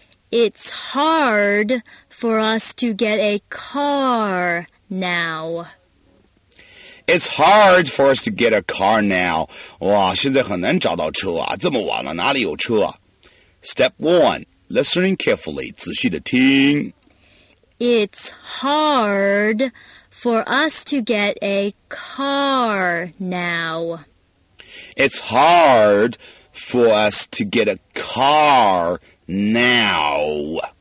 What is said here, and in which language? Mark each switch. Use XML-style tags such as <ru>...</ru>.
<en>It's hard for us to get a car now. It's hard for us to get a car now.</en> <zh>哇，现在很难找到车啊，这么晚了，哪里有车啊？</zh> <en>Step 1, listening carefully,</en> <zh>仔细地听。</zh> <en>It's hard for us to get a car now. It's hard for us to get a car now.</en>